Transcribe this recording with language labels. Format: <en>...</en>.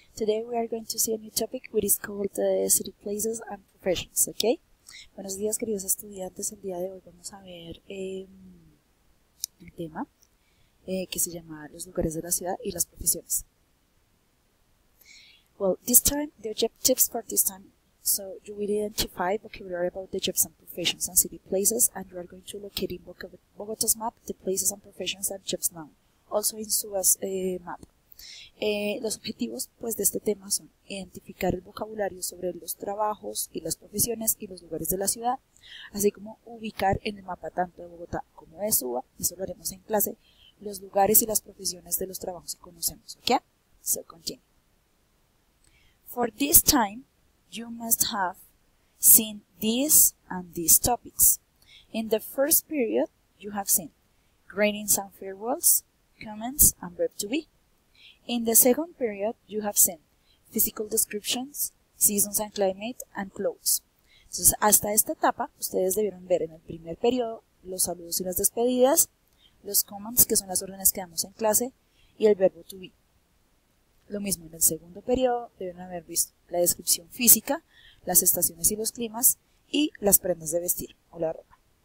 <en>Today we are going to see a new topic which is called City Places and Professions, ¿ok?</en> <es>Buenos días, queridos estudiantes. El día de hoy vamos a ver el tema que se llama Los lugares de la ciudad y las profesiones.</es> <en>Well, this time, the objectives for this time, so you will identify vocabulary about the jobs and professions and city places, and you are going to locate in Bogotá's map the places and professions and jobs known, also in SUA's map.</en> <es>Los objetivos pues de este tema son identificar el vocabulario sobre los trabajos y las profesiones y los lugares de la ciudad, así como ubicar en el mapa tanto de Bogotá como de Suba, eso lo haremos en clase, los lugares y las profesiones de los trabajos que conocemos, ¿ok?</es> <en>So continue. For this time, you must have seen these and these topics. In the first period, you have seen greetings and farewells, comments and verb to be. In the second period, you have seen physical descriptions, seasons and climate, and clothes.</en> <es>Entonces, hasta esta etapa, ustedes debieron ver en el primer periodo los saludos y las despedidas, los comments, que son las órdenes que damos en clase, y el verbo to be. Lo mismo en el segundo periodo, debieron haber visto la descripción física, las estaciones y los climas, y las prendas de vestir o la ropa.</es>